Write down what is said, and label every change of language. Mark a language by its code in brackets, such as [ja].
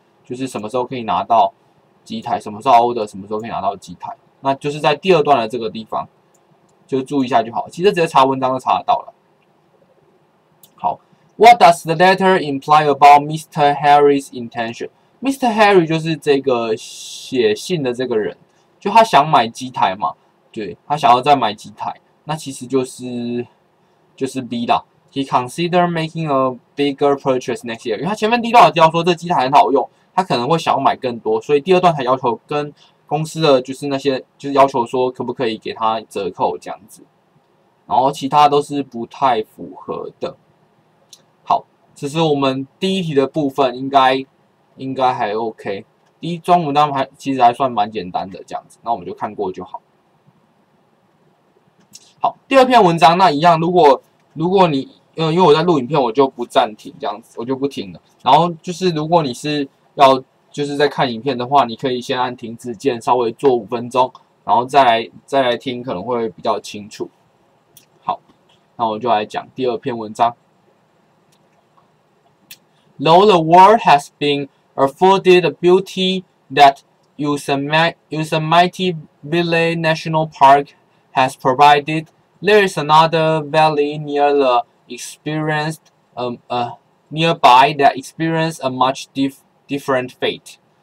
[zh] 就是什么时候可以拿到机台，什么时候 order，什么时候可以拿到机台，那就是在第二段的这个地方，就注意一下就好。其实直接查文章就查得到了。 [en] 好，What does the letter imply about Mr. Harry's intention？Mr. [zh] Harry 就是这个写信的这个人，就他想买机台嘛，对，他想要再买机台，那其实就是 B 啦。 [en] He consider making a bigger purchase next year， [zh] 因为他前面第一段有提到说这机台很好用。他可能会想要买更多，所以第二段才要求跟公司的就是那些，就是要求说可不可以给他折扣这样子，然后其他都是不太符合的。好，这是我们第一题的部分，应该还 OK。第一中文单还其实还算蛮简单的这样子，那我们就看过就好。好，第二篇文章那一样，如果你因为我在录影片，我就不暂停这样子，我就不停了。然后就是如果你是要就是在看影片的话，你可以先按停止键，稍微做5分钟，然后再来听，可能会比较清楚。好，那我就来讲第二篇文章。 [en] Though the world has been afforded a beauty that Yosemite Valley National Park has provided, there is another valley nearby that experienced a much different fate.